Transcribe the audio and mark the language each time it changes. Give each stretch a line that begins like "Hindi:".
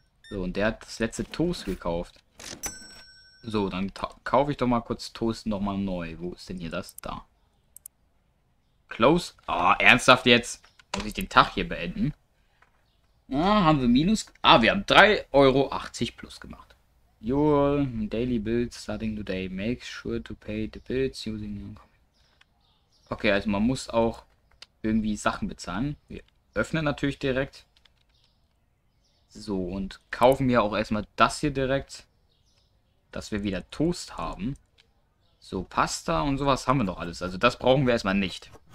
German: So, und der hat das letzte Toast gekauft. So, dann kaufe ich doch mal kurz Toast nochmal neu. Wo ist denn hier das? Da. Close. Ah, oh, ernsthaft jetzt? Muss ich den Tag hier beenden? Ah, haben wir Minus. Ah, wir haben 3,80 € plus gemacht.
English: Your daily bills starting today. Make sure to pay the bills using.
German: Okay, also man muss auch irgendwie Sachen bezahlen. Wir öffnen natürlich direkt. So, und kaufen wir auch erstmal das hier direkt, dass wir wieder Toast haben. So, Pasta und sowas haben wir noch alles. Also das brauchen wir erstmal nicht.